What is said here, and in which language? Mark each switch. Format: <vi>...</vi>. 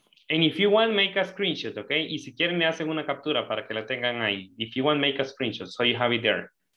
<en>And if you want, make a screenshot, okay?</en> <es>Y si quieren, me hacen una captura para que la tengan ahí.</es> <en>If you want, make a screenshot, so you have it there.</en>